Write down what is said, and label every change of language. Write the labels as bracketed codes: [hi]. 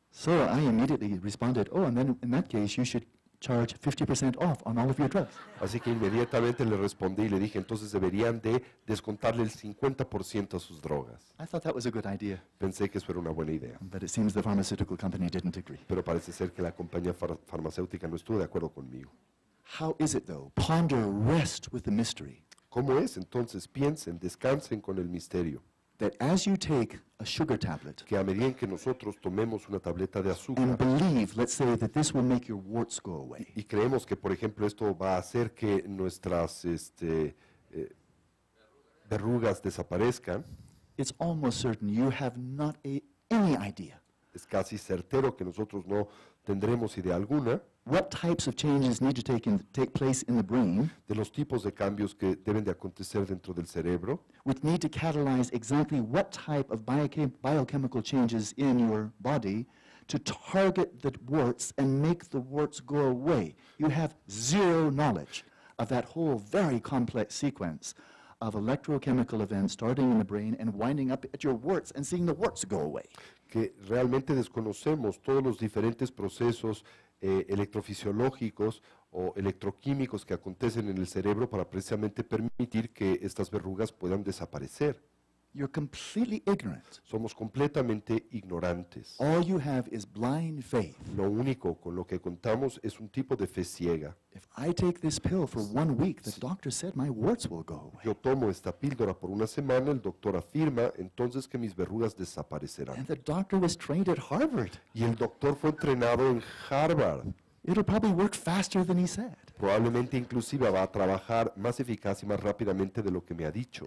[en] So I immediately responded, oh, and then in that case you should charge 50% off on all of your drugs. [es] Así que inmediatamente le respondí y le dije, entonces deberían de descontarle el 50% a sus drogas. [en] I thought that was a good idea. [es] Pensé que eso era una buena idea. [en] But it seems the pharmaceutical company didn't agree. [es] Pero parece ser que la compañía farmacéutica no estuvo de acuerdo conmigo. [en] How is it though? Ponder, rest with the mystery. [es] ¿Cómo es entonces? Piensen, descansen con el misterio. [en] That as you take a sugar tablet, [es] que a medida en que nosotros tomemos una tableta de azúcar, [en] and believe, let's say, that this will make your warts go away, [es] y creemos que, por ejemplo, esto va a hacer que nuestras verrugas desaparezcan, [en] it's almost certain you have not any idea. [es] Es casi certero que nosotros no tendremos idea alguna. [en] What types of changes need to take place in the brain? [es] De los tipos de cambios que deben de acontecer dentro del cerebro. [en] Which need to catalyze exactly what type of biochemical changes in your body to target the warts and make the warts go away. You have zero knowledge of that whole very complex sequence of electrochemical events starting in the brain and winding up at your warts and seeing the warts go away. [es] Que realmente desconocemos todos los diferentes procesos electrofisiológicos o electroquímicos que acontecen en el cerebro para precisamente permitir que estas verrugas puedan desaparecer. [en] You're completely ignorant. [es] Somos completamente ignorantes. [en] All you have is blind faith. [es] Lo único con lo que contamos es un tipo de fe ciega. [en] If I take this pill for 1 week, the doctor said my warts will go away. [es] Yo tomo esta píldora por una semana, el doctor afirma entonces que mis verrugas desaparecerán. [en] And the doctor was trained at Harvard. [es] Y el doctor fue entrenado en Harvard. [en] It'll probably work faster than he said. [es] Probablemente inclusive va a trabajar más eficaz y más rápidamente de lo que me ha dicho.